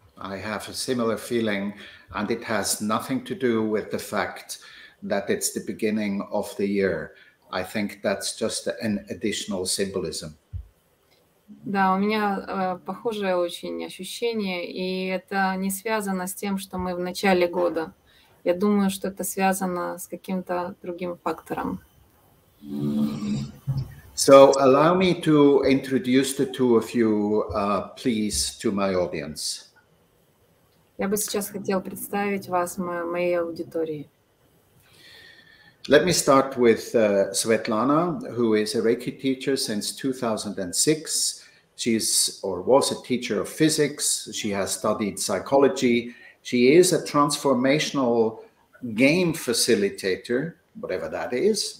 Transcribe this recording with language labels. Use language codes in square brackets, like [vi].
[en] I have a similar feeling, and it has nothing to do with the fact that it's the beginning of the year. I think that's just an additional symbolism. [ru] Да, у меня похожее очень ощущение, и это не связано с тем, что мы в начале года. Я думаю, что это связано с каким-то другим фактором. [en] So allow me to introduce the two of you, please, to my audience. [ru] Я бы сейчас хотел представить вас моей аудитории. [en] Let me start with Svetlana, who is a Reiki teacher since 2006. She is or was a teacher of physics. She has studied psychology. She is a transformational game facilitator, whatever that is.